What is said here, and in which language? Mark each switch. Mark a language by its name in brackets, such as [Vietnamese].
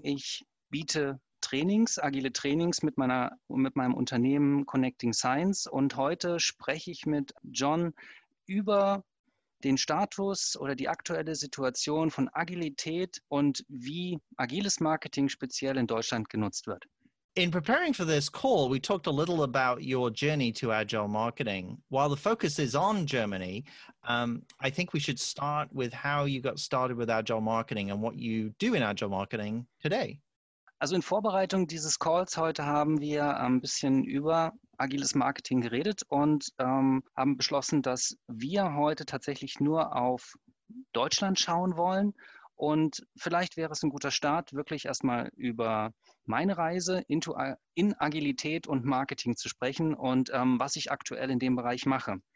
[German] Ich biete Trainings, agile Trainings mit meinem Unternehmen CONNECTINGSCIENCE. Und heute spreche ich mit John über den Status oder die aktuelle Situation von Agilität und wie agiles Marketing speziell in Deutschland genutzt wird. [English] In preparing for this call, we talked a little about your journey to agile marketing. While the focus is on Germany, I think we should start with how you got started with agile marketing and what you do in agile marketing today. [German] Also in Vorbereitung dieses Calls heute haben wir ein bisschen über agiles Marketing geredet und haben beschlossen, dass wir heute tatsächlich nur auf Deutschland schauen wollen. Und vielleicht wäre es ein guter Start, wirklich erstmal über meine Reise in Agilität und Marketing zu sprechen und was ich aktuell in dem Bereich mache.